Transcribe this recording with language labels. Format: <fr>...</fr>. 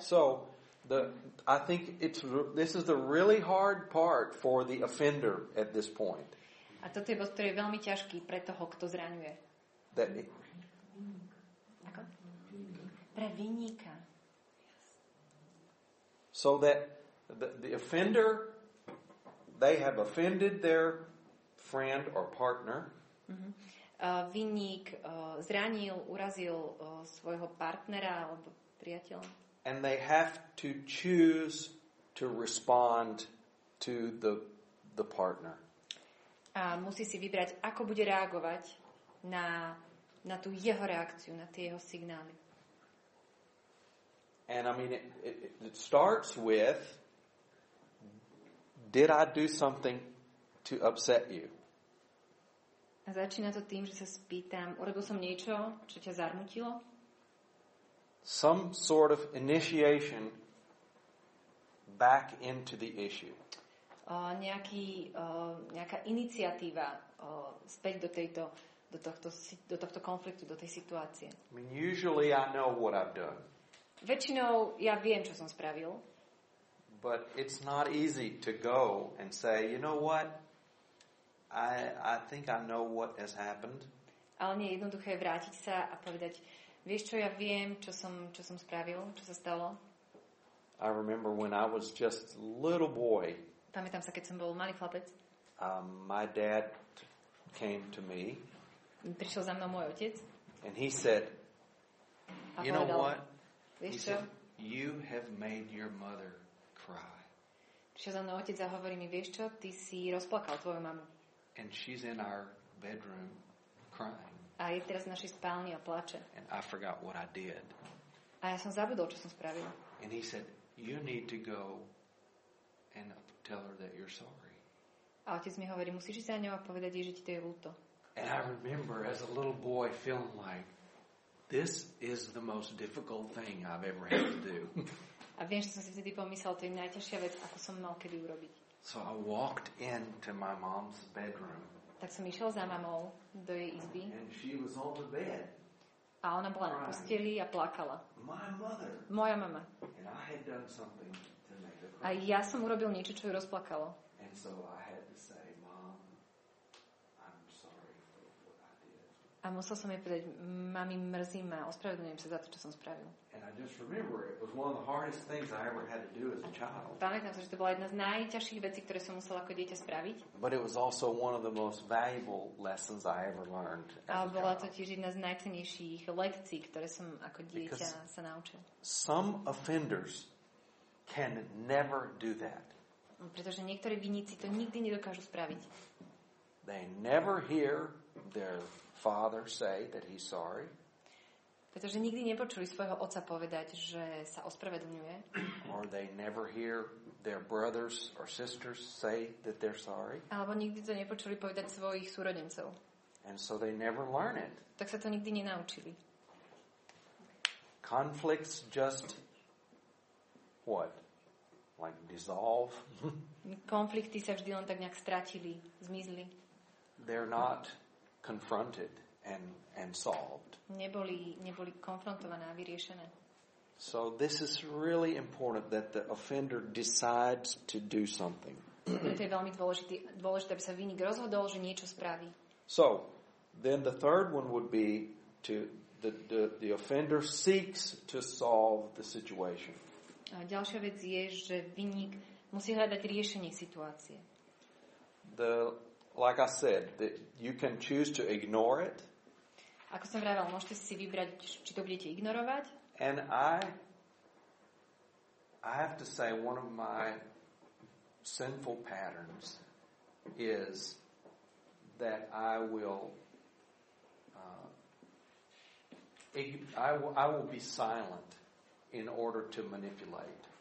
<en>So I think this is the really hard part for the offender at this point.</en> <sk>A toto je bod, ktorý je veľmi ťažký pre toho, kto zraňuje. Pre vinníka.</sk> <en>So that the offender, they have offended their friend or partner.</en> <sk>Vinník zranil, urazil svojho partnera alebo priateľa.</sk> <en>And they have to choose to respond to the partner.</en> <sk>A musí si vybrať, ako bude reagovať na tú jeho reakciu, na tie jeho signály.</sk> <en>And I mean, it starts with, did I do something to upset you?</en> <sk>A začína to tým, že sa spýtam, urobil som niečo, čo ťa zarmutilo?</sk> <en>Some sort of initiation back into the issue.</en> <sk>Nejaká iniciatíva späť do tohto konfliktu, do tej situácie.</sk> <en>I mean, usually I know what I've done.</en> <sk>Väčšinou ja viem, čo som spravil.</sk> <en>But it's not easy to go and say, you know what? I think I know what has happened.</en> <sk>Ale nie je jednoduché vrátiť sa a povedať, vieš čo, ja viem, čo som spravil, čo sa stalo.</sk> <en>I remember when I was just little boy.</en> <sk>Pamätám sa, keď som bol malý chlapec.</sk> <en>My dad came to me.</en> <sk>Prišiel za mnou môj otec.</sk> <en>And he said, you know what?</en> <sk>Vieš čo?</sk> <en>You have made your mother cry.</en> <sk>Prišiel za mnou otec a hovorí mi, vieš čo, ty si rozplakal tvoju mamu.</sk> <en>And she's in our bedroom crying.</en> <sk>A je teraz v našej spálni a plače.</sk> <en>And I forgot what I did.</en> <sk>A ja som zabudol, čo som spravil.</sk> <en>And he said, you need to go and tell her that you're sorry.</en> <sk>A otec mi hovorí, musíš ísť za ňou a povedať jej, že ti to je ľúto.</sk> <en>And I remember as a little boy feeling like, this is the most difficult thing I've ever had to do.</en> <sk>A viem, že som si vtedy pomyslel, to je najťažšia vec, ako som mal kedy urobiť.</sk> <en>So I walked into my mom's bedroom.</en> <sk>Tak som išiel za mamou do jej izby.</sk> <en>And she was on the bed.</en> <sk>A ona bola na posteli a plakala.</sk> <en>My mother.</en> <sk>Moja mama.</sk> <en>And I had done something to make her cry.</en> <sk>A ja som urobil niečo, čo ju rozplakalo.</sk> <en>And so I had to say, Mom, I'm sorry for what I did.</en> <sk>A musel som jej povedať, mami, mrzí ma, ospravedlňujem sa za to, čo som spravil.</sk> <en>And I just remember it was one of the hardest things I ever had to do as a child.</en> <sk>Pamätám sa, že to bola jedna z najťažších vecí, ktoré som musela ako dieťa spraviť.</sk> <en>But it was also one of the most valuable lessons I ever learned.</en> <sk>A bola to tiež jedna z najcennejších lekcií, ktoré som ako dieťa sa naučil.</sk> <en>Some offenders can never do that.</en> <sk>Pretože niektorí vinníci to nikdy nedokážu spraviť.</sk> <en>They never hear their father say that he's sorry.</en> <sk>Pretože nikdy nepočuli svojho otca povedať, že sa ospravedlňuje.</sk> <en>Or they never hear their brothers or sisters say that they're sorry.</en> <sk>Alebo nikdy to nepočuli povedať svojich súrodencov.</sk> <en>And so they never learn it.</en> <sk>Tak sa to nikdy nenaučili.</sk> <en>Conflicts just what? Like dissolve.</en> <sk>Konflikty sa vždy len tak nejak stratili, zmizli.</sk> <en>They're not confronted and solved.</en> <sk>Neboli konfrontované a vyriešené.</sk> <en>So this is really important that the offender decides to do something.</en> <sk>To je veľmi dôležité, aby sa vinník rozhodol, že niečo spraví.</sk> <en>So then the third one would be to the offender seeks to solve the situation.</en> <sk>A ďalšia vec je, že vinník musí hľadať riešenie situácie.</sk> <en>Like I said, that you can choose to ignore it.</en> <sk>Ako som vravel, môžete si vybrať, či to budete ignorovať.</sk> <en>And I have to say one of my sinful patterns is that I will I will be silent in order to manipulate.</en>